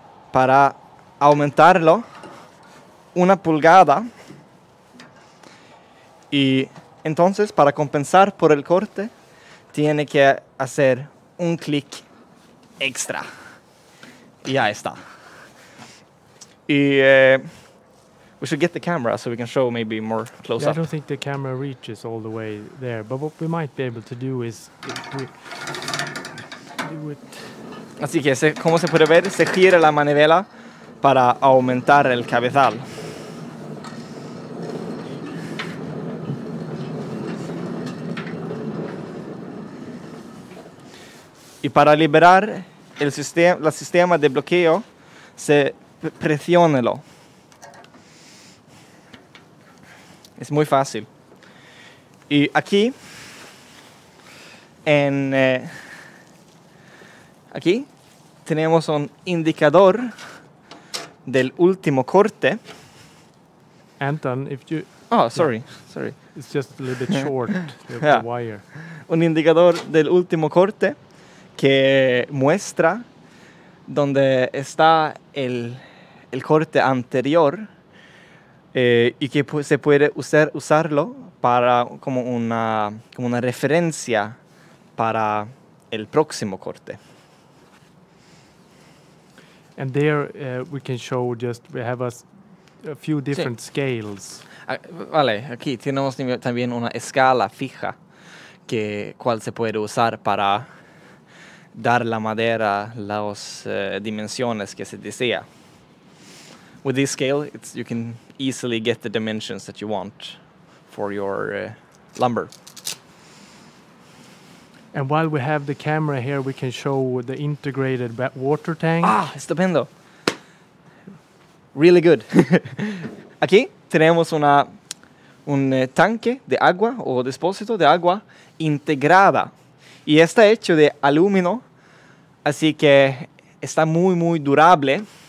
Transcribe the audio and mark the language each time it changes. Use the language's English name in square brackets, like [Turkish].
[Spanish] para aumentarlo una pulgada y entonces para compensar por el corte tiene que hacer un clic extra y ya está. [English] Y we should get the camera so we can show maybe more close-up. Yeah, I don't think the camera reaches all the way there, but what we might be able to do is do it. [Spanish] Así que, como se puede ver, se gira la manivela para aumentar el cabezal. Y para liberar el sistema de bloqueo, se presiónelo. Es muy fácil. Y aquí, aquí tenemos un indicador del último corte. [English] Anton, if you... Oh, sorry, yeah. Sorry. It's just a little bit short, the wire. [Spanish] Un indicador del último corte que muestra dónde está el corte anterior. Y que se puede usarlo para como una referencia para el próximo corte. [English] And there we can show just we have a few different scales. [Spanish] Vale, aquí tenemos también una escala fija que cual se puede usar para dar la madera las dimensiones que se desea. [English] With this scale, you can easily get the dimensions that you want for your lumber. And while we have the camera here, we can show the integrated water tank. Ah, [Spanish] estupendo. [English] Really good. [Spanish] Aquí tenemos un tanque de agua o depósito de agua integrada. Y está hecho de aluminio, así que está muy, muy durable.